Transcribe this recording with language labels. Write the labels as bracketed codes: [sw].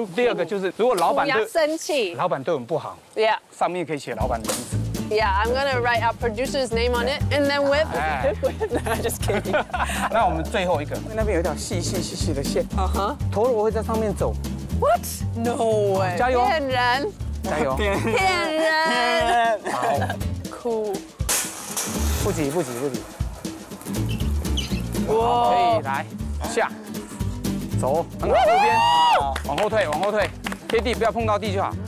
[zh] 听说打这个有两个最大的功效，第一个可以治疗我们的五十肩，真的。第二个就是如果老板对，老板对我们不好， [en] yeah. [zh] 上面可以写老板的名字。 [en] Yeah, I'm gonna write our producer's name on it, and then whip. Just kidding. [zh] 那我们最后一个，那边有一条细细细细的线。陀螺会在上面走。 [en] What? No way. [zh] 加油！骗人！加油！骗人！好，酷。不急，不急，不急。哇！可以来下，走，往后边，往后退，往后退，贴地，不要碰到地就好。